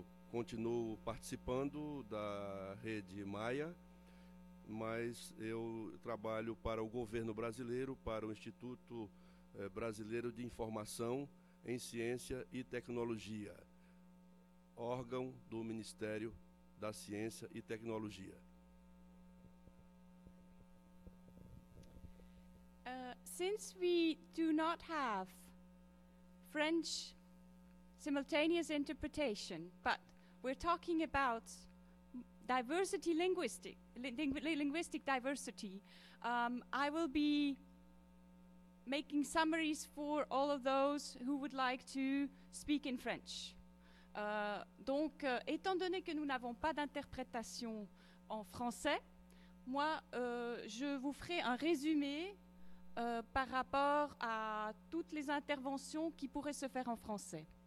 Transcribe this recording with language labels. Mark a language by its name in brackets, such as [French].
[Portuguese] continuo participando da rede Maya, mas eu trabalho para o governo brasileiro, para o Instituto Brasileiro de Informação em Ciência e Tecnologia, órgão do Ministério da Ciência e Tecnologia. [English] Since we do not have French simultaneous interpretation, but we're talking about diversity linguistic diversity. I will be making summaries for all of those who would like to speak in French. [French] Donc, étant donné que nous n'avons pas d'interprétation en français, moi, je vous ferai un résumé par rapport à toutes les interventions qui pourraient se faire en français.